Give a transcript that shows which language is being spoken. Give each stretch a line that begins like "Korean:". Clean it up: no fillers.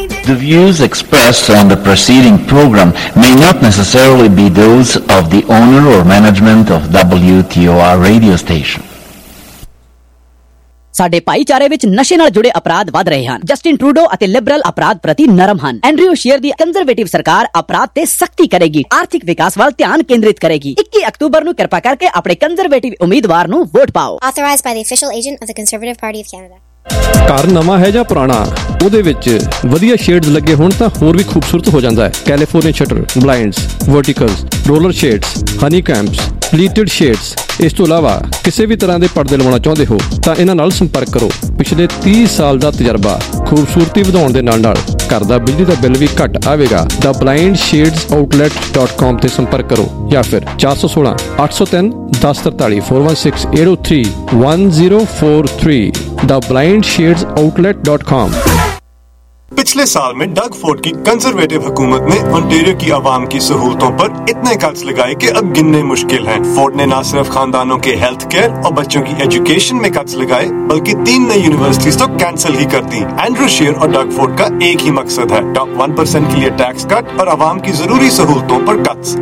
English: The views expressed on the preceding program may not necessarily be those of the owner or management of WTOR radio station.
Punjabi: ਸਾਡੇ ਭਾਈਚਾਰੇ ਵਿੱਚ ਨਸ਼ੇ ਨਾਲ ਜੁੜੇ ਅਪਰਾਧ ਵੱਧ ਰਹੇ ਹਨ। ਜਸਟਿਨ ਟਰੂਡੋ ਅਤੇ ਲਿਬਰਲ ਅਪਰਾਧ ਪ੍ਰਤੀ ਨਰਮ ਹਨ। ਐਂਡਰਿਊਸ਼ੀਅਰ ਦੀ ਕੰਜ਼ਰਵੇਟਿਵ ਸਰਕਾਰ ਅਪਰਾਧ ਤੇ ਸਖਤੀ ਕਰੇਗੀ, ਆਰਥਿਕ ਵਿਕਾਸ ਵੱਲ ਧਿਆਨ ਕੇਂਦਰਿਤ ਕਰੇਗੀ। 21 ਅਕਤੂਬਰ ਨੂੰ ਕਿਰਪਾ ਕਰਕੇ ਆਪਣੇ ਕੰਜ਼ਰਵੇਟਿਵ ਉਮੀਦਵਾਰ ਨੂੰ ਵੋਟ ਪਾਓ।
English: Authorised by the official agent of the Conservative Party of Canada.
Punjabi: ਘਰ ਨਵਾਂ ਹੈ ਜਾਂ ਪੁਰਾਣਾ, ਉਹਦੇ ਵਿੱਚ ਵਧੀਆ ਸ਼ੇਡਸ ਲੱਗੇ ਹੋਣ ਤਾਂ ਹੋਰ ਵੀ ਖੂਬਸੂਰਤ ਹੋ ਜਾਂਦਾ ਹੈ। California shutter, blinds, ਵਰਟੀਕਲਸ, roller shades, ਹਨੀ ਕੈਂਪਸ, ਪਲੀਟਡ ਸ਼ੇਡਸ। ਇਸ ਤੋਂ ਇਲਾਵਾ ਕਿਸੇ ਵੀ ਤਰ੍ਹਾਂ ਦੇ ਪਰਦੇ ਲਵਾਉਣਾ ਚਾਹੁੰਦੇ ਹੋ ਤਾਂ ਇਹਨਾਂ ਨਾਲ ਸੰਪਰਕ ਕਰੋ। ਪਿਛਲੇ 30 ਸਾਲ ਦਾ ਤਜਰਬਾ, ਖੂਬਸੂਰਤੀ ਵਧਾਉਣ ਦੇ ਨਾਲ ਨਾਲ ਘਰ ਦਾ ਬਿਜਲੀ ਦਾ ਬਿੱਲ ਵੀ ਘੱਟ ਆਵੇਗਾ। ਦ ਬਲਾਈਂਡ ਸ਼ੇਡਸ ਆਊਟਲੈਟ .com ਤੇ ਸੰਪਰਕ ਕਰੋ ਜਾਂ ਫਿਰ 416-803-1043 416-803-1043 ਦ ਬਲਾਈਂਡ ਸ਼ੇਡਸ ਆਊਟਲੈਟ .com।
Hindi: पिछले साल में डग फोर्ड की कंजर्वेटिव हुकूमत ने ओंटारियो की आवाम की सहूलतों पर इतने कर्ज लगाए कि अब गिनने मुश्किल हैं। फोर्ड ने न सिर्फ खानदानों के हेल्थ केयर और बच्चों की एजुकेशन में कर्ज लगाए बल्कि 3 नई यूनिवर्सिटीज तो कैंसिल ही कर दी। एंड्रू शेयर और डग फोर्ड का एक ही मकसद है, टॉप 1% के लिए टैक्स कट और आवाम की जरूरी सहूलतों पर कर्ज।